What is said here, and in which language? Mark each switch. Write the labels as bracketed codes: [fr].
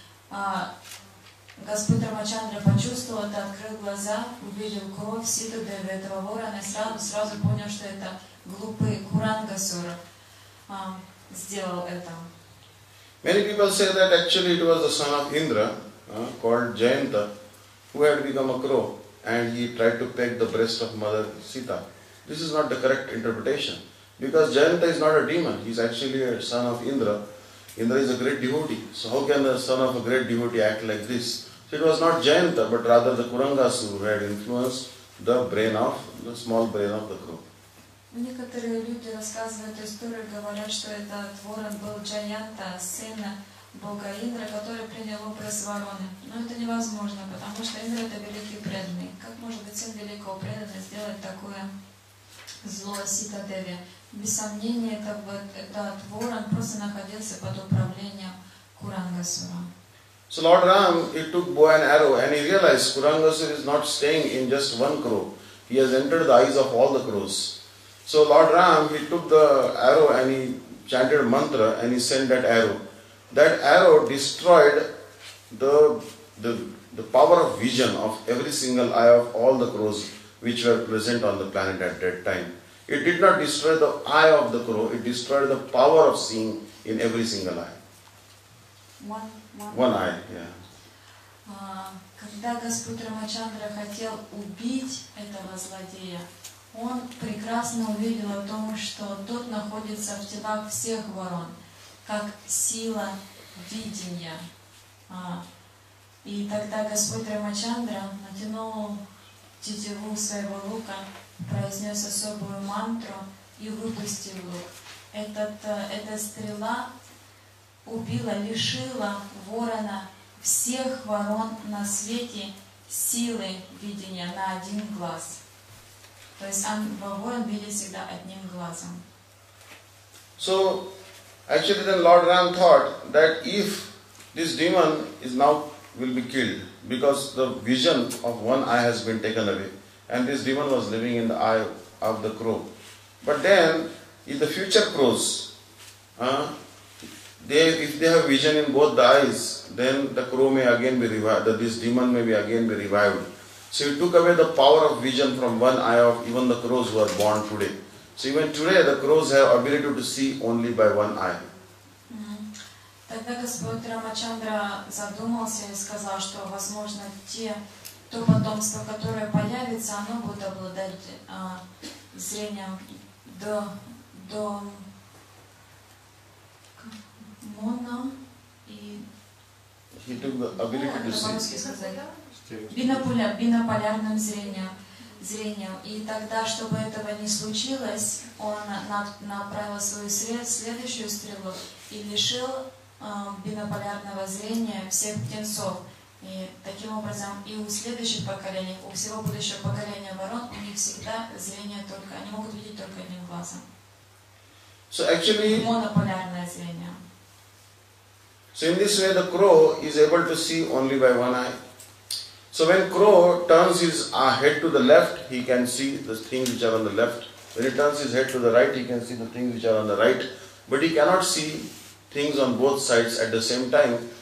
[ru] А Господь Рамачандра почувствовал это, открыл глаза, увидел кровь Ситудеви этого ворона и сразу понял, что это глупый Курангасур сделал это. [en] Many people say that actually it was the son of Indra, called Jayanta, who had become a crow and he tried to peck the breast of Mother Sita. This is not the correct interpretation because Jayanta is not a demon. He is actually a son of Indra. Indra is a great devotee. So how can the son of a great devotee act like this? So it was not Jayanta but rather the Kurangasu who had influenced the small brain of the crow. [ru] Некоторые люди рассказывают историю, говорят, что этот ворон был Джаянта, сына бога Индра, который принял образ вороны. Но это невозможно, потому что Индра это великий преданный. Как может быть сын великого преданного сделать такое зло Ситадеви? Без сомнения, этот ворон просто находился под управлением Курангасура. [en] So Lord Ram, he took bow and arrow and he realized Курангасур is not staying in just one crow. He has entered the eyes of all the crows. So Lord Ram, he took the arrow and he chanted mantra and he sent that arrow. That arrow destroyed the power of vision of every single eye of all the crows which were present on the planet at that time. It did not destroy the eye of the crow, it destroyed the power of seeing in every single eye. One eye, yeah. [ru] Когда Господь Рамачандра хотел убить этого злодея, он прекрасно увидел о том, что тот находится в телах всех ворон, как сила видения. И тогда Господь Рамачандра натянул тетиву своего лука, произнес особую мантру и выпустил лук. Эта стрела убила, лишила ворона всех ворон на свете силы видения на один глаз. То есть ворон видит всегда одним глазом. [en] So actually then Lord Ram thought that if this demon is now will be killed because the vision of one eye has been taken away and this demon was living in the eye of the crow. But then if the future crows, if they have vision in both the eyes, then the crow may again be revived, this demon may be again be revived. So he took away the power of vision from one eye of even the crows who are born today. So even today the crows have ability to see only by one eye. [ru] Тогда Господь Рамачандра задумался и сказал, что возможно то потомство, которое появится, оно будет обладать зрением до моно и бинополярным зрением. И тогда, чтобы этого не случилось, он направил свою следующую стрелу и лишил бинополярного зрения всех птенцов. И таким образом и у следующих поколений, у всего будущего поколения ворон, у них всегда зрение только, они могут видеть только одним глазом. [en] So actually, [ru] монополярное зрение. [en] So in this way the crow is able to see only by one eye. So when crow turns his head to the left, he can see the things which are on the left. When he turns his head to the right, he can see the things which are on the right. But he cannot see things on both sides at the same time.